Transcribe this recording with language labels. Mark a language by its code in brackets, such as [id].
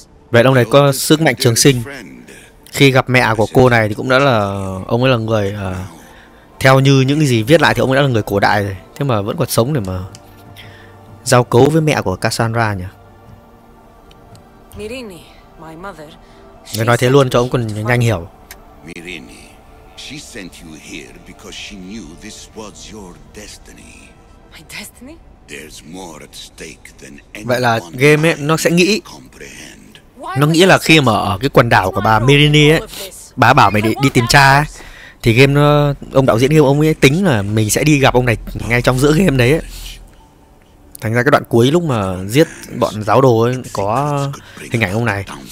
[vi] Vậy ông này có sức mạnh trường sinh. Khi gặp mẹ của cô này thì cũng đã là ông ấy là người theo như những gì viết lại thì ông ấy đã là người cổ đại rồi. Thế mà vẫn còn sống để mà giao cấu với mẹ của Cassandra nhỉ. [en] Mirini, my mother. [vi] Người nói thế luôn cho ông còn nhanh hiểu. [en] Mirini, she sent you here because she knew this was your destiny. My destiny? There's more at stake than anyone. [vi] Vậy là game ấy nó sẽ nghĩ, nó nghĩ là khi mà ở cái quần đảo của bà Mirini ấy, bà bảo mày đi tìm cha ấy, thì game nó, ông đạo diễn game ông ấy tính là mình sẽ đi gặp ông này ngay trong giữa game đấy ấy. Thành ra cái đoạn cuối lúc mà giết bọn giáo đồ ấy, có hình ảnh ông này.